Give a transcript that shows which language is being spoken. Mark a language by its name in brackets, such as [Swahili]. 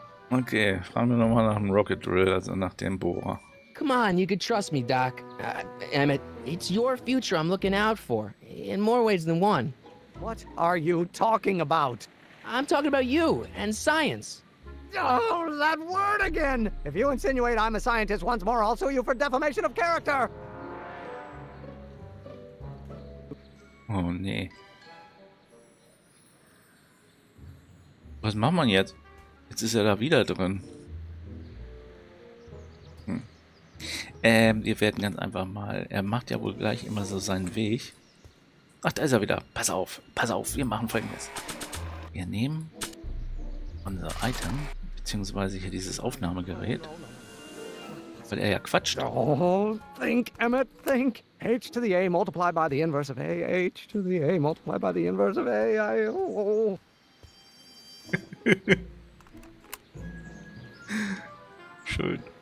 [German] Okay, fragen wir nochmal nach dem Rocket Drill, also nach dem Bohrer. [English] Come on, you can trust me, Doc. Emmett, it's your future I'm looking out for, in more ways than one. What are you talking about? I'm talking about you and science. Oh, that word again! If you insinuate I'm a scientist once more, I'll sue you for defamation of character! [German] Oh, nee. Was macht man jetzt? Jetzt ist er da wieder drin. Wir werden ganz einfach mal... Er macht ja wohl gleich immer so seinen Weg. Ach, da ist er wieder. Pass auf. Wir machen Folgendes. Wir nehmen unser Item, beziehungsweise hier dieses Aufnahmegerät, weil er ja quatscht. [English] Oh, think, Emmett, think. H to the A multiplied by the inverse of A. H to the A multiplied by the inverse of A. I, oh. [German] Schön.